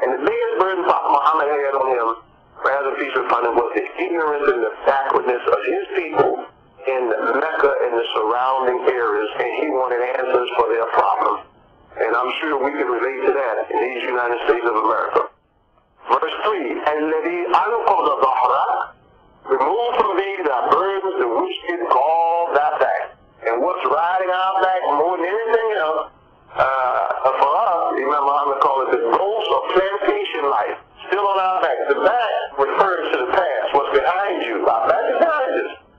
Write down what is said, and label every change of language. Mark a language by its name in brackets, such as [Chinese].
[English] And the biggest burden Prophet Muhammad had on him, rather peace be upon him, was the ignorance and the backwardness of his people in Mecca and the surrounding areas, and he wanted answers for their problems. And I'm sure we can relate to that in these United States of America. Verse 3, [Arabic] الَّذِي أَنْقَضَ ظَهْرَكَ. [English] Remove from thee thy burdens to which did gall thy back. And what's riding our back more than anything else, for us, Imam Muhammad called it the ghost of plantation life, still on our back. The back refers to the past, what's behind you. Our back is behind us.